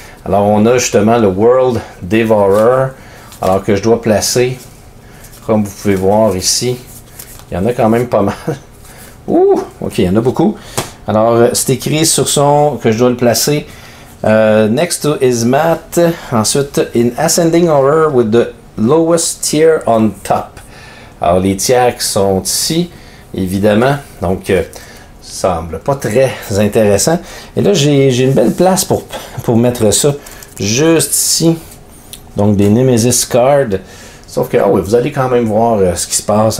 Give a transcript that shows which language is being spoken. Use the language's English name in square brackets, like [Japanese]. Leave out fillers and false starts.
[French] Alors, on a justement le World Devourer. Alors que je dois placer, comme vous pouvez voir ici, il y en a quand même pas mal. Ouh! OK, il y en a beaucoup. Alors, c'est écrit sur son que je dois le placer. [English] Next to his mat. [French] Ensuite, [English] in ascending order with the lowest tier on top. [French] Alors, les tiers qui sont ici, évidemment. Donc, semble pas très intéressant. Et là, j'ai une belle place pour mettre ça juste ici. Donc, des Nemesis cards. Sauf que, oh oui, vous allez quand même voir ce qui se passe.